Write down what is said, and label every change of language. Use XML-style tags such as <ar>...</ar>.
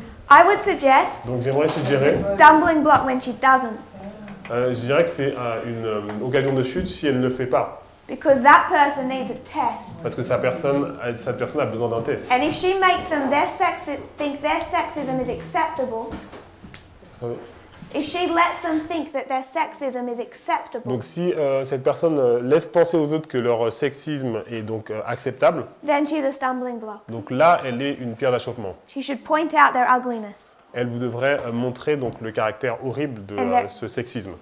<en>I would suggest.</en> <fr>Donc j'aimerais suggérer.</fr> <en>Stumbling block when she doesn't.</en> <fr>Je dirais que c'est une occasion de chute si elle ne le fait pas.</fr> <en>Because that person needs a test.</en> <fr>Parce que cette personne a besoin d'un test.</fr> <en>And if she makes them their sexism is acceptable. Sorry. If she lets them think that their sexism is acceptable.</en> <fr>Donc si cette personne laisse penser aux autres que leur sexisme est donc acceptable.</fr> <en>Then she's a stumbling block.</en> <fr>Donc là, elle est une pierre d'achoppement.</fr> <en>She should point out their ugliness.</en> <fr>Elle vous devrait montrer donc le caractère horrible de ce sexisme.</fr>